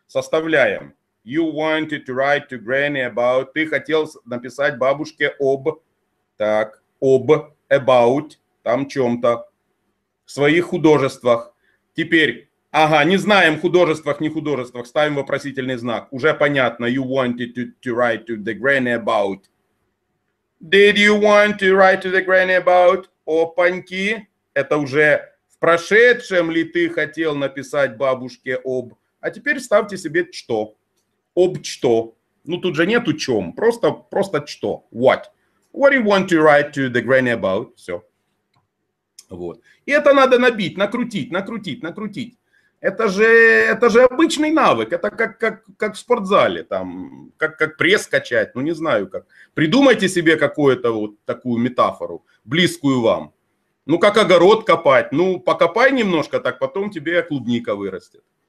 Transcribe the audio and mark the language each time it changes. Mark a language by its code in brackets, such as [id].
[ru] Составляем. [en] You wanted to write to granny about. [ru] Ты хотел написать бабушке об. Так. Об. About. Там чем-то. В своих художествах. Теперь. Ага. Не знаем художествах, не художествах. Ставим вопросительный знак. Уже понятно. [en] You wanted to write to the granny about. Did you want to write to the granny about? [ru] Опаньки. Это уже в прошедшем ли ты хотел написать бабушке об... А теперь ставьте себе что. Об что. Ну, тут же нету чем. Просто что. What. [en] What do you want to write to the granny about? [ru] Все. Вот. И это надо набить, накрутить. Это же обычный навык. Это как в спортзале. Там, как пресс качать. Ну, не знаю как. Придумайте себе какую-то вот такую метафору, близкую вам. Ну, как огород копать. Ну, покопай немножко, так потом тебе клубника вырастет.